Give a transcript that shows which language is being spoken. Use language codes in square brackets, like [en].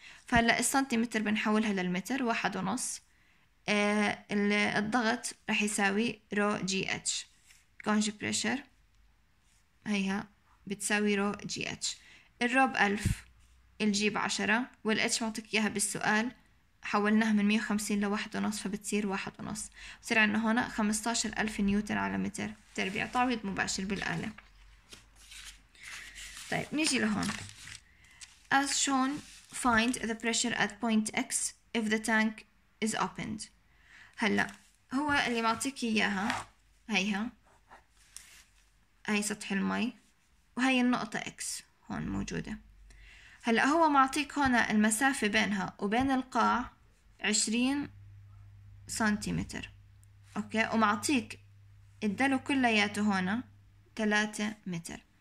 [ar] فهلا السنتيمتر بنحولها للمتر، 1.5. الضغط رح يساوي رو جي اتش، gauge pressure هيها بتساوي رو جي اتش، الرو ب 1000، الجي ب 10، والاتش معطيك اياها بالسؤال، حولناها من 150 ل1.5 فبتصير 1.5، بصير عندنا هنا 15000 نيوتن على متر تربيع، تعويض مباشر بالآلة. طيب نيجي لهون، [en] as shown find the pressure at point x if the tank is opened. [ar] هلا هو اللي معطيك اياها هيها، هاي سطح المي وهي النقطة x هون موجودة. هلا هو معطيك هنا المسافة بينها وبين القاع 20 سنتيمتر، اوكي، ومعطيك الدلو كلياته هنا 3 متر.